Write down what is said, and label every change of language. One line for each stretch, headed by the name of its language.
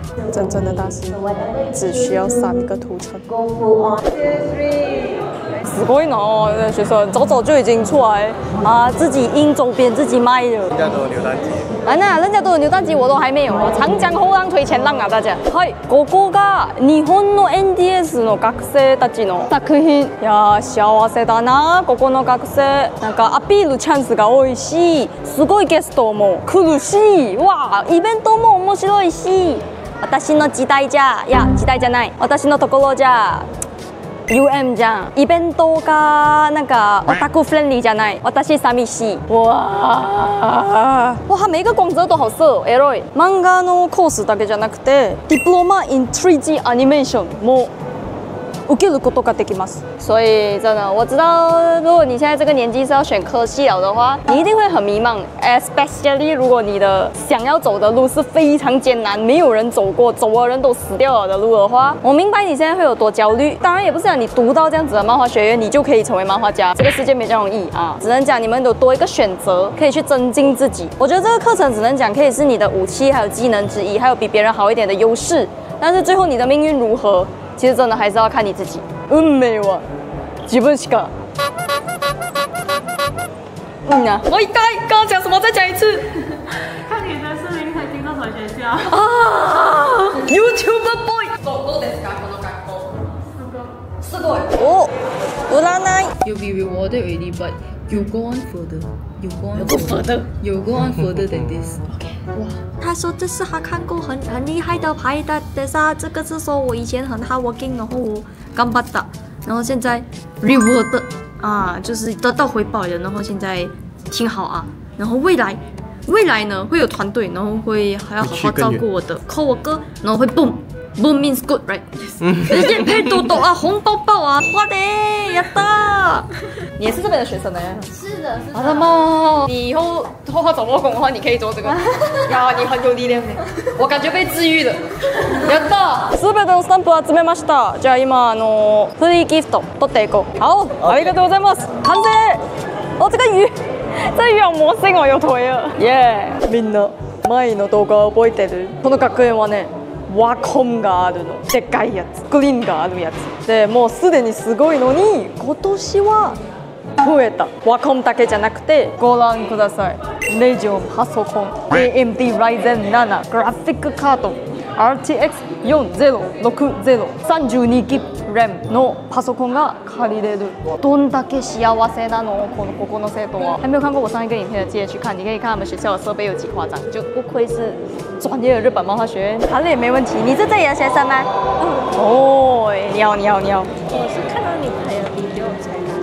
Chinese: 真正的大师只需要三个图层。
Japanese: すごいな、
Chinese: 学生早早就已经出来啊，自己印周边，自己卖了。人家都有扭蛋机。啊那，人家都有扭蛋机，我都还没有。长江后浪推前浪啊，大家。
Japanese: はい、ここが日本の NDS の学生たちの作品。いや、幸せだな、ここの学生。なんかアピールチャンスが多いし、すごいゲストも来るし、わあ、イベントも面白いし。私の時代じゃ、いや、時代じゃない。私のところじゃ。UM じゃん。イベントがなんかオタクフレンリーじゃない。私寂しい。わ
Chinese: あ。哇，每个光泽都好色，
Japanese: エロい。漫画のコースだけじゃなくて、Diploma in 3D Animation も受けることができます。
Chinese: 所以真的，我知道，如果你现在这个年纪是要选科系了的话，你一定会很迷茫。
English: Especially
Chinese: 如果你的想要走的路是非常艰难，没有人走过，走的人都死掉了的路的话，我明白你现在会有多焦虑。当然也不是讲你读到这样子的漫画学院，你就可以成为漫画家。这个世界没这么容易啊，只能讲你们有多一个选择，可以去增进自己。我觉得这个课程只能讲可以是你的武器，还有技能之一，还有比别人好一点的优势。但是最后你的命运如何？其实真的还是要看你自己。
Japanese: 運命は自分しか。嗯啊，
Chinese: 我一回刚刚讲什么？再讲一次。看你的视频才进到什么学校？
English: 啊！YouTuber boy。
Japanese: どこですかこの学校？すごい。すごい。お、占い。
English: You'll be rewarded already, but you go on further. You go on further. You go on further than this. Okay.
Chinese: 哇，他说这是他看过很厉害的牌的，但是这个是说我以前很
English: hard working，
Chinese: 然后我干巴的，然后现在 reward 啊，就是得到回报的，然后现在挺好啊，然后未来呢会有团队，然后会还要好好照顾我的
English: coworker，
Chinese: 然后会
English: boom means good， right？
Chinese: 直接配多多啊，红包包啊，哇的，
Japanese: やった！
Chinese: 你也是这边的学生呢？是的，是的。啊，你以后画画找不到工的话，你可以做这个。呀，你很有力量的，我感觉被治愈了。
Japanese: やった！すべてのスタンプ集めました。じゃあ今フリーギフト取っていこう。好，ありがとうございます。
Chinese: 完成。哦，这个鱼，这鱼有魔性哦，有腿啊。
Japanese: 耶，みんな前の動画覚えてる？この学園はね。ワコンがあるの、でっかいやつ、スクリーンがあるやつで、もうすでにすごいのに今年は増えた。ワコンだけじゃなくて、ご覧ください。ネジオン、パソコン、 AMD Ryzen 7、 グラフィックカード RTX 4060、 32GB RAM のパソコンが借りれる。どんだけ幸せなの、このここの生徒は。
Chinese: 还没有看过我上一个影片的，记得去看。你可以看他们学校的设备有几夸张，就不愧是专业的日本漫画学院。好嘞，没问题。你是这里的学生吗？哦，你好。我是看到你拍的 video 才拿